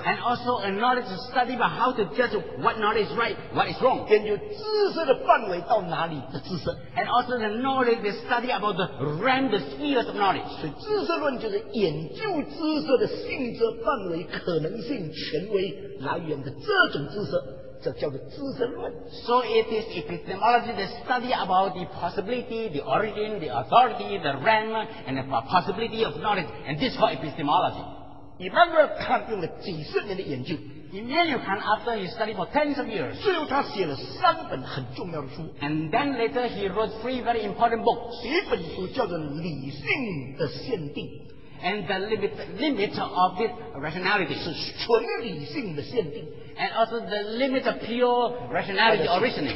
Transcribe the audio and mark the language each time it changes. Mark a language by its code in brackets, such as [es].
[en] And also a knowledge to study about how to judge what knowledge. What is right? What is wrong? [zh] 研究知识的范围到哪里的知识 [en] ，and also the knowledge they study about the realm, the spheres of knowledge. [zh] 所以知识论就是研究知识的性质、范围、可能性、权威、来源的这种知识，这叫做知识论。 [en] So it is epistemology the study about the possibility, the origin, the authority, the realm, and the possibility of knowledge, and this is called epistemology. [zh] Immanuel Kant 用了几十年的研究。 [en] Immanuel Kant, after he studied for tens of years, [zh] 最后他写了三本很重要的书。 [en] And then later he wrote three very important books. [zh] 第一本书叫做《理性的限定》 [en] ，And the limit of this rationality [zh] 是纯理性的限定。 [en] And also the limit of pure rationality originally